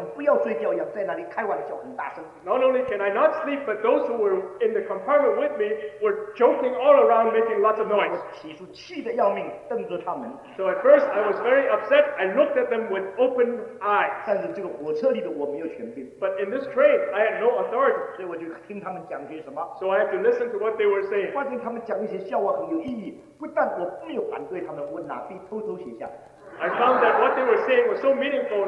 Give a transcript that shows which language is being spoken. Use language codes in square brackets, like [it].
[zh] 不但不能睡觉，那些坐夜车的人，他们好像不要睡觉一样，在那里开玩笑，很大声。 [en] Not only can I not sleep, but those who were in the compartment with me were joking all around, making lots of noise. [zh] 我起初气得要命，瞪着他们。 [en] So at first I was very upset. I looked at them with open eyes. But in this train, I had no authority. So I had to listen to what they were saying. I found that what they were saying was so meaningful.